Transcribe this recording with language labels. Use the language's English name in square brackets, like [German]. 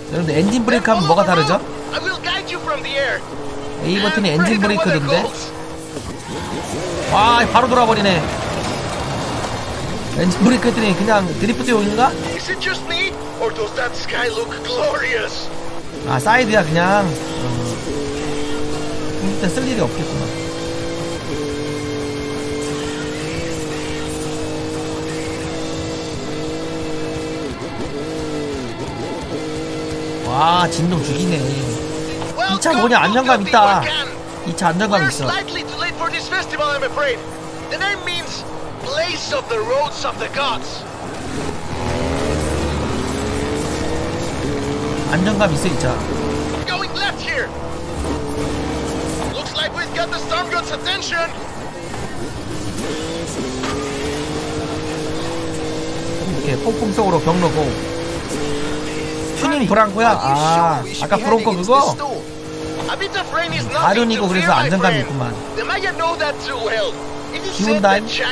[Korean] 그런데 엔진 브레이크하면 뭐가 다르죠? [English] I will guide you from the air. [Korean] A 버튼이 엔진 브레이크인데. 와, 바로 돌아버리네. 엔진 브레이크 했더니 그냥 드리프트용인가? [English] Is it just me, or does that sky look glorious? [Korean] 아, 사이드야 그냥. 일단 쓸 일이 없겠구만. 와, 진동 죽이네. 이 차 뭐냐, 안정감 있다. 이 차 안정감 있어. [English] The name means place of the roads of the gods. [Korean] 안정감 있어, 이 차. [English] Going left here. Looks like we've got the storm god's attention. [Korean] 이렇게 폭풍 속으로 경로고. 튜닝 브랑코야. 아, 아까 브랑코 그거? 다륜이고 그래서 안정감이 있구만. 기운 다임.